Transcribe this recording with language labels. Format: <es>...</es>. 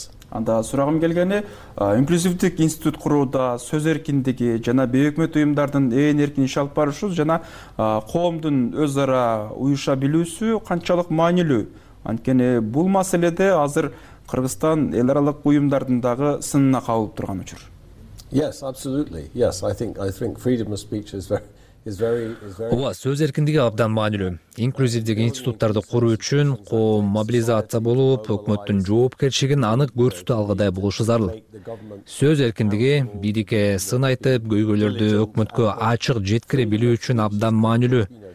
<ky>Анда сурагым келгени, инклюзивдик институт курууда сөз эркиндиги жана бейөкмөт уюмдардын эң эркин иш алып барышы жана коомдун өз ара уюша билүүсү канчалык маанилүү? Анткени бул маселеде азыр Кыргызстан эл аралык уюмдардын дагы сынына кабылып турган учур.</ky> <en>Yes, absolutely. Yes, I think freedom of speech is very</en> <ky>Ооба, сөз эркиндиги абдан маанилүү. Инклюзивдик институттарды куруу үчүн коом мобилизация болуп, өкмөттүн жоопкерчилигин анык көрсөтө алгыдай болушу зарыл. Сөз эркиндиги бийликке сын айтып, көйгөйлөрдү өкмөткө ачык жеткире билүү үчүн абдан маанилүү.</ky>